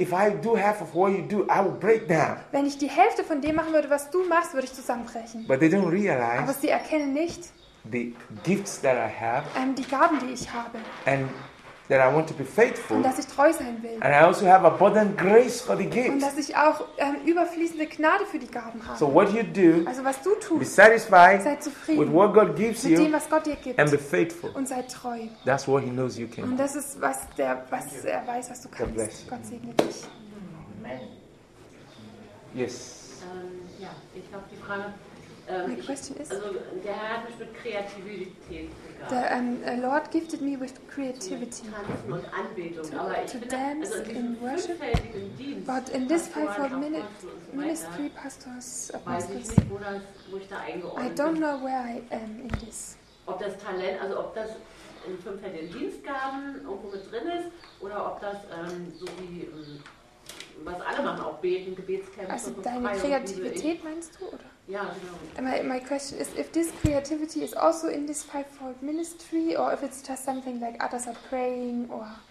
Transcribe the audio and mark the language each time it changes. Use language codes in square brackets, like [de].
[en] if I do half of what you do, I will break down. [de] Wenn ich die Hälfte von dem machen würde, was du machst, würde ich zusammenbrechen. [en] But they don't realize, [de] aber sie erkennen nicht, [en] the gifts that I have, [de] die Gaben, die ich habe, [en] and that I want to be faithful, [de] und dass ich treu sein will, [en] and I also have abundant grace for the gifts, [de] und dass ich auch überfließende Gnade für die Gaben habe. [en] So what you do, [de] also was du tust, [en] be satisfied, [de] sei zufrieden [en] with what God gives [de] mit [en] you, [de] dem, was Gott dir gibt, [en] and be faithful, [de] und sei treu. [en] That's what He knows you can. [de] Und das ist was der, was er weiß, was du kannst. [en] God bless you. [de] Gott segne dich. [en] Amen. Yes. [de] Ja, ich glaube die Frage. [en] My question is, the Lord gifted me with creativity to dance in worship, but in this fivefold ministry, pastors, apostles, I don't know where I am in this. [de] Ob das Talent, also ob das in fünffältigen Dienstgaben irgendwo mit drin ist, oder ob das so wie was alle machen, auch beten, Gebetskämpfe. Also deine Kreativität meinst du, oder? Ja, genau. [en] My question is, if this creativity is also in this fivefold ministry, or if it's just something like others are praying, or